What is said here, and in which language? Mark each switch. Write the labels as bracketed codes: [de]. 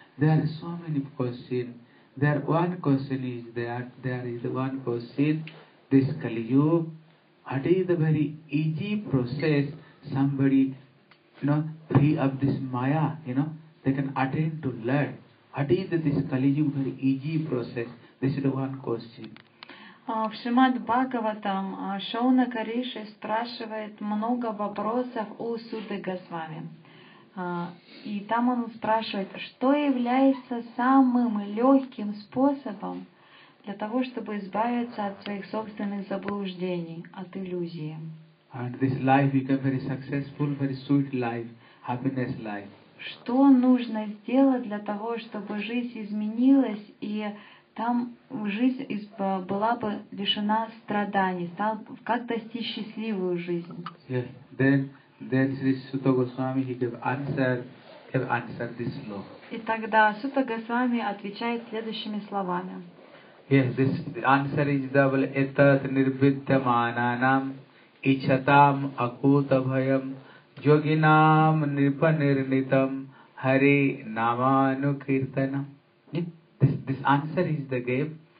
[en] There are so many questions. There is one question, this Kali Yuga, what is the very easy process somebody, you know, free of this Maya, you know, they can attain to learn. What is this Kali Yuga very easy process? This is the one question. [ru] В Шримад Бхагаватам Шаунака Риши спрашивает много вопросов у Суды Госвами. И там он спрашивает, что является самым легким способом для того, чтобы избавиться от своих собственных заблуждений, от иллюзии. [en] And this life become very successful, very sweet life, happiness life. [ru] Что нужно сделать для того, чтобы жизнь изменилась и там жизнь была бы лишена страданий, стал как достичь счастливую жизнь. [en] Yes. Then Sri Sutta Goswami gave answer this law. [ru] И тогда Сута Госвами отвечает следующими словами. [en] Yes, this answer is double. [sa] Этат нирвиддьяманам ичатам акутабхаям йогинам нирпанирнитам хари намануктиртанам. [en] This answer is the game.